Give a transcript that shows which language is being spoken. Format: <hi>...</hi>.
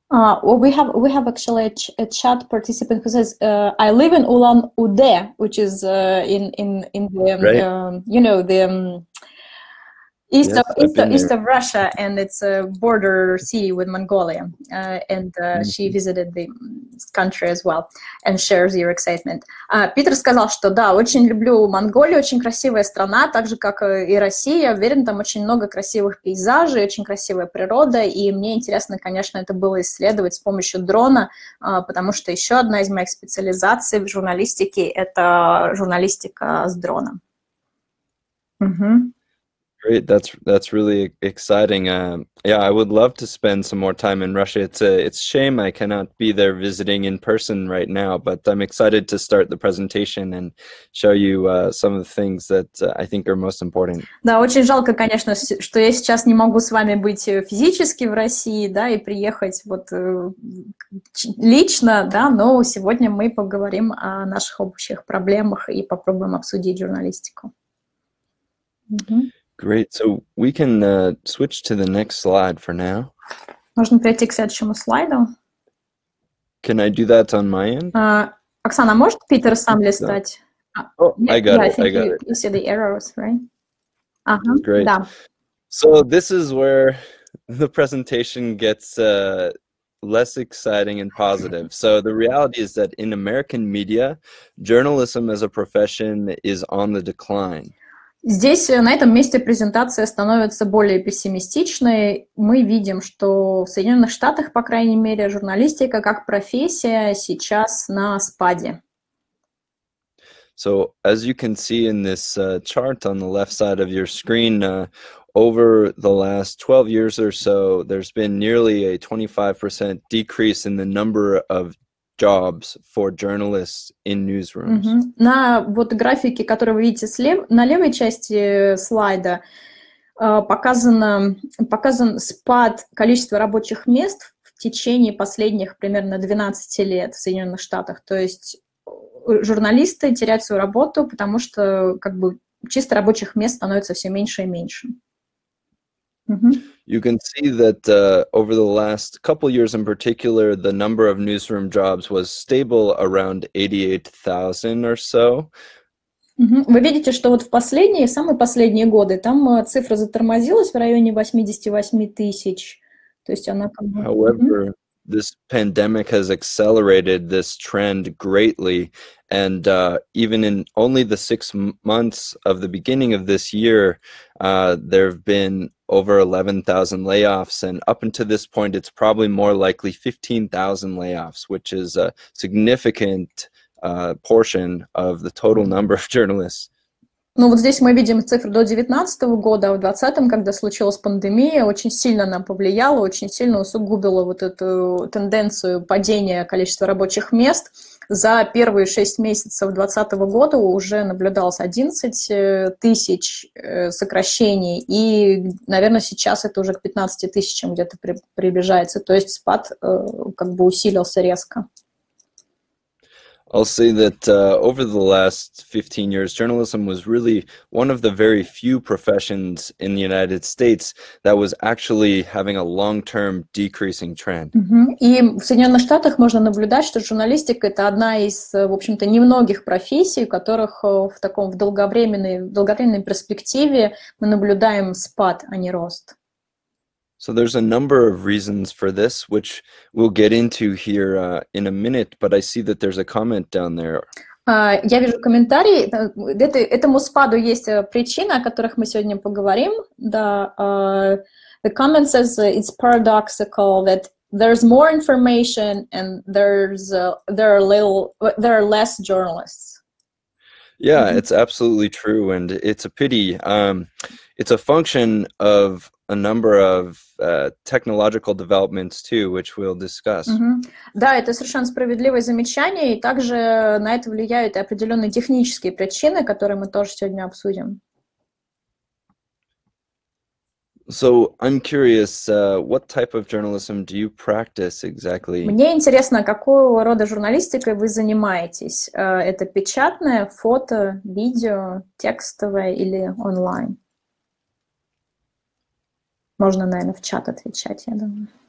<en>Well, we have actually a chat participant who says I live in Ulan Ude, which is in the right? You know, the east, yes, east of Russia, and it's a border city with Mongolia, and she visited the country as well and shares your excitement.</en> <ru>Питер сказал, что да, очень люблю Монголию, очень красивая страна, так же, как и Россия. Уверен, там очень много красивых пейзажей, очень красивая природа, и мне интересно, конечно, это было исследовать с помощью дрона, потому что еще одна из моих специализаций в журналистике – это журналистика с дроном.</ru> <en>Mm-hmm. Great. That's really exciting. Yeah, I would love to spend some more time in Russia. It's a shame I cannot be there visiting in person right now, but I'm excited to start the presentation and show you some of the things that I think are most important.</en> <ru>Да, очень жалко, конечно, что я сейчас не могу с вами быть физически в России, да, и приехать вот лично, да, но сегодня мы поговорим о наших общих проблемах и попробуем обсудить журналистику.</ru> <en>Great. So we can switch to the next slide for now.</en> <ru>Можно перейти к следующему слайду?</ru> <en>Can I do that on my end?</en> <ru>Оксана, может Питер сам листать?</ru> <en>Oh, I got it. I got it. You see the arrows, right? Uh-huh. Great.</en> <ru>Да.</ru> <en>So this is where the presentation gets less exciting and positive. So the reality is that in American media, journalism as a profession is on the decline.</en> <ru>Здесь на этом месте презентация становится более пессимистичной. Мы видим, что в Соединенных Штатах, по крайней мере, журналистика как профессия сейчас на спаде.</ru> <en>So, as you can see in this chart on the left side of your screen, over the last 12 years or so, there's been nearly a 25% decrease in the number of jobs for journalists in newsrooms. Mm-hmm.</en> <ru>На вот графике, который вы видите слева, на левой части слайда, показан спад количества рабочих мест в течение последних примерно 12 лет в Соединенных Штатах. То есть журналисты теряют свою работу, потому что как бы чисто рабочих мест становится все меньше и меньше.</ru> <en>You can see that over the last couple years in particular, the number of newsroom jobs was stable around 88,000 or so.</en> <ru>Вы видите, что вот в последние, самые последние годы, там цифра затормозилась в районе 88 тысяч. То есть она как бы...</ru> <en>However, this pandemic has accelerated this trend greatly, and even in only the 6 months of the beginning of this year, there have been over 11,000 layoffs, and up until this point, it's probably more likely 15,000 layoffs, which is a significant portion of the total number of journalists.</en> <ru>Ну вот здесь мы видим цифры до 2019 года, а в 2020, когда случилась пандемия, очень сильно она повлияла, очень сильно усугубила вот эту тенденцию падения количества рабочих мест. За первые 6 месяцев 2020 года уже наблюдалось 11 тысяч сокращений, и, наверное, сейчас это уже к 15 тысячам где-то приближается, то есть спад как бы усилился резко.</ru> <en>I'll say that over the last 15 years, journalism was really one of the very few professions in the United States that was actually having a long-term decreasing trend.</en> <ru>И в Соединенных Штатах можно наблюдать, что журналистика — это одна из, в общем-то, немногих профессий, у которых в таком долговременной перспективе мы наблюдаем спад, а не рост.</ru> <en>So there's a number of reasons for this, which we'll get into here in a minute, but I see that there's a comment down there.</en> <ru>Я вижу комментарий. Этому спаду есть причина, о которых мы сегодня поговорим.</ru> <en>The comment says it's paradoxical that there's more information and there are less journalists. Yeah, it's absolutely true, and it's a pity. It's a function of a number of technological developments too, which we'll discuss.</en> <ru>Да, это совершенно справедливое замечание, и также на это влияют и определенные технические причины, которые мы тоже сегодня обсудим.</ru> <en>So I'm curious, what type of journalism do you practice exactly?</en> <ru>Мне интересно, какого рода журналистикой вы занимаетесь? Это печатное, фото, видео, текстовое или онлайн? Можно, наверное, в чат отвечать, я думаю.</ru>